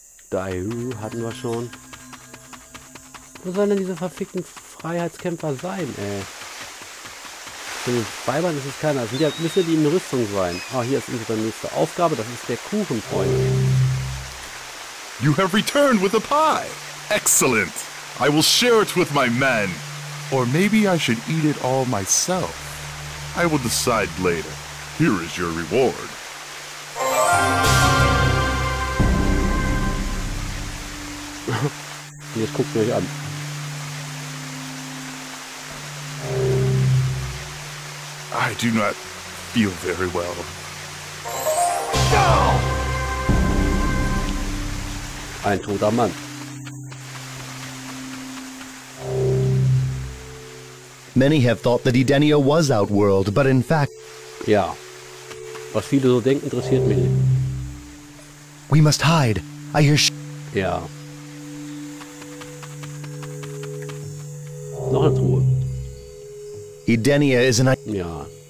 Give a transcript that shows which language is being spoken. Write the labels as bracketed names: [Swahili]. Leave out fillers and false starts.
[German] Daiyu hatten wir schon. Wo sollen denn diese verfickten Freiheitskämpfer sein, ey? Für den Weibern ist es keiner. Sind ja, müssen die in Rüstung sein. Ah, hier ist unsere nächste Aufgabe. Das ist der Kuchenfreund. [English] You have returned with a pie. Excellent. I will share it with my men. Or maybe I should eat it all myself. I will decide later. Here is your reward. [German] Jetzt guckt euch an. [English] I do not feel very well. [German] Ein toter Mann. [English] Many have thought that Edenia was outworld, but in fact. [German] Ja. Was viele so denken, interessiert mich nicht. [English] We must hide. I hear. [German] Ja. Noch eine Truhe. [English] Edenia is an. [German] Ja.